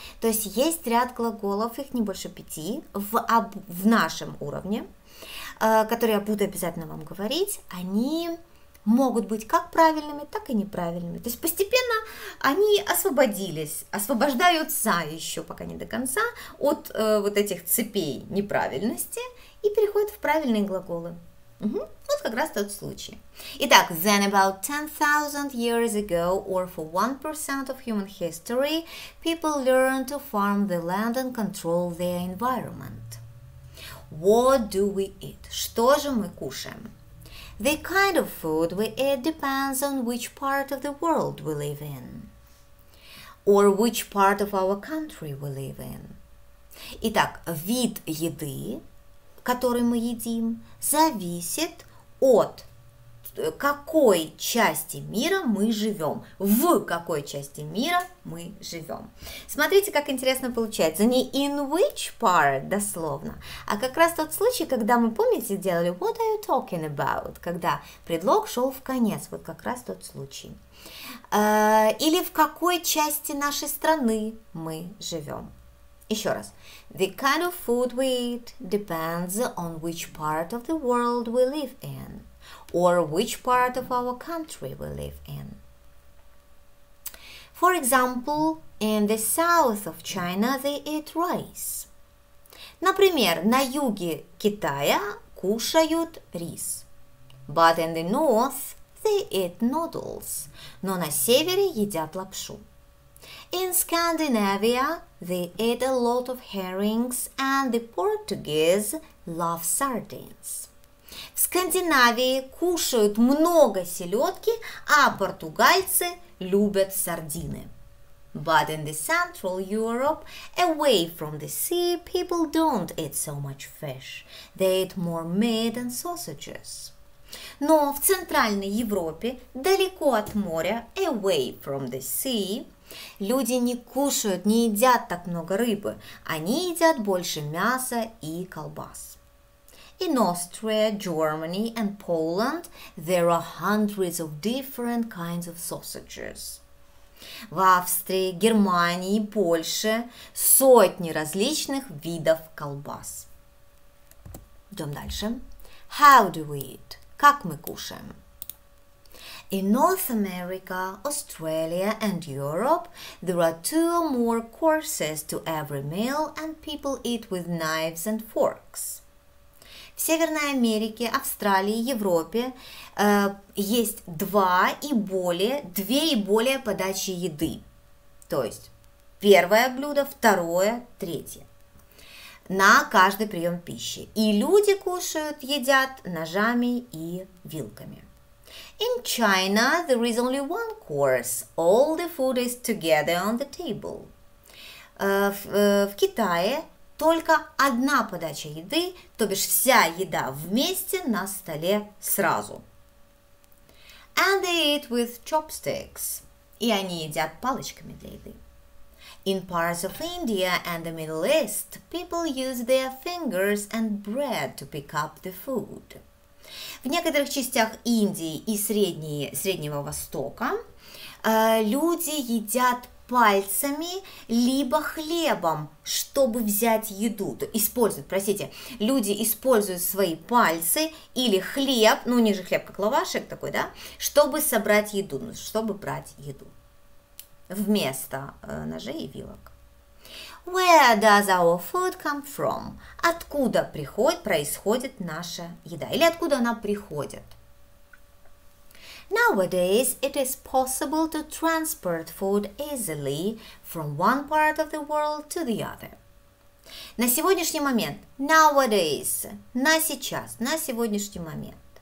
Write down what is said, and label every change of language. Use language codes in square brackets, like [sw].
[ru] То есть есть ряд глаголов, их не больше 5, в нашем уровне, которые я буду обязательно вам говорить, они могут быть как правильными, так и неправильными. То есть постепенно они освобождаются еще пока не до конца от вот этих цепей неправильности и переходят в правильные глаголы. Угу. Вот как раз тот случай. [en] Итак, then about 10,000 years ago, or for 1% of human history, people learned to farm the land and control their environment. What do we eat? [ru] Что же мы кушаем? [en] The kind of food we eat depends on which part of the world we live in, or which part of our country we live in. [ru] Итак, вид еды, который мы едим, зависит от какой части мира мы живем, в какой части мира мы живем. Смотрите, как интересно получается. Не [en] in which part, [ru] дословно, а как раз тот случай, когда мы, помните, делали [en] what are you talking about, [ru] когда предлог шел в конец, вот как раз тот случай. Или в какой части нашей страны мы живем. Еще раз. [en] The kind of food we eat depends on which part of the world we live in, or which part of our country we live in. For example, in the south of China they eat rice. [ru] Например, на юге Китая кушают рис. [en] But in the north they eat noodles. [ru] Но на севере едят лапшу. [en] In Scandinavia they eat a lot of herrings and the Portuguese love sardines. [ru] В Скандинавии кушают много селедки, а португальцы любят сардины. [en] But in the Central Europe, away from the sea, people don't eat so much fish. They eat more meat and sausages. [ru] Но в Центральной Европе, далеко от моря, [en] away from the sea, [ru] люди не кушают, не едят так много рыбы. Они едят больше мяса и колбас. [en] In Austria, Germany and Poland there are hundreds of different kinds of sausages. [ru] В Австрии, Германии и Польше сотни различных видов колбас. Идем дальше. [en] How do we eat? [ru] Как мы кушаем? [en] In North America, Australia and Europe there are two or more courses to every meal and people eat with knives and forks. [ru] В Северной Америке, Австралии, Европе есть две и более подачи еды. То есть первое блюдо, второе, третье. На каждый прием пищи. И люди кушают, едят ножами и вилками. [en] In China there is only one course. All the food is together on the table. [ru] В Китае только одна подача еды, то бишь вся еда вместе на столе сразу. [en] And they eat with chopsticks. [ru] И они едят палочками для еды. [en] In parts of India and the Middle East, people use their fingers and bread to pick up the food. [ru] В некоторых частях Индии и Среднего Востока люди едят пальцами либо хлебом, чтобы взять еду. Люди используют свои пальцы или хлеб, ну не же хлеб, как лавашек такой, да, чтобы собрать еду, ну, чтобы брать еду. Вместо ножей и вилок. [en] Where does our food come from? [ru] Откуда происходит наша еда? Или откуда она приходит? [en] Nowadays it is possible to transport food easily from one part of the world to the other. [ru] На сегодняшний момент, nowadays, на сейчас, на сегодняшний момент.